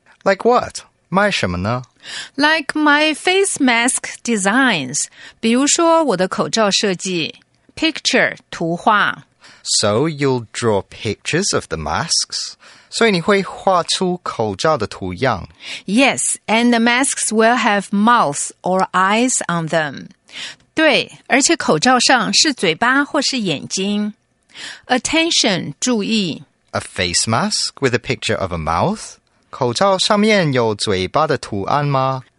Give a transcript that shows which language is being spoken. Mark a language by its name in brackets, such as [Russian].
[Chinese] Like what? 卖什么呢？ [English] Like my face mask designs, 比如说我的口罩设计。 Picture, 图画。 So you'll draw pictures of the masks? [Chinese] 所以你会画出口罩的图样。 [English] Yes, and the masks will have mouths or eyes on them. [Chinese] 对,而且口罩上是嘴巴或是眼睛。 [English] Attention, 注意。 A face mask with a picture of a mouth? [Chinese] 口罩上面有嘴巴的图案吗?